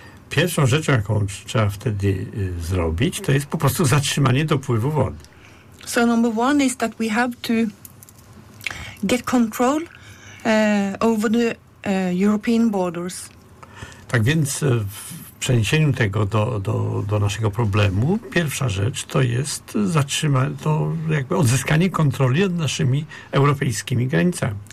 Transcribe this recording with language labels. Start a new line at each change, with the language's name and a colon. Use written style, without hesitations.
Polish: Pierwszą rzeczą, jaką trzeba wtedy zrobić, to jest po prostu zatrzymanie dopływu wody.
English: So number one is that we have to get control over the European borders.
Polish: Tak więc przeniesieniu tego do naszego problemu, pierwsza rzecz to jest to jakby odzyskanie kontroli nad naszymi europejskimi granicami.